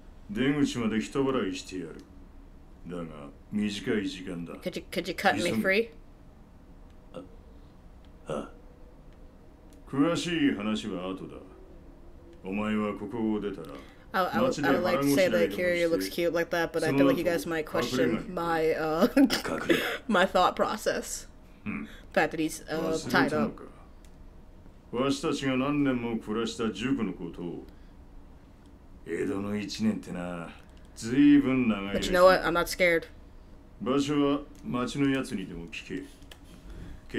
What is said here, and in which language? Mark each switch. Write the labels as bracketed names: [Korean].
[Japanese] 出口まで人払いしてやる。だが短い時間だ。 [English] Could you cut me free? [Japanese] あ、詳しい話は後だ。お前はここを出たら、街で腹ごしらえでもして。その後、隠れない。 [English] But I feel like you guys might question my my thought process. The fact that he's tied up. [Japanese] 私たちが何年も暮らした塾のことを江戸の一年ってな、ずいぶん長い。 [English] But you know what? I'm not scared. [Japanese] 場所は町のやつにでも聞け。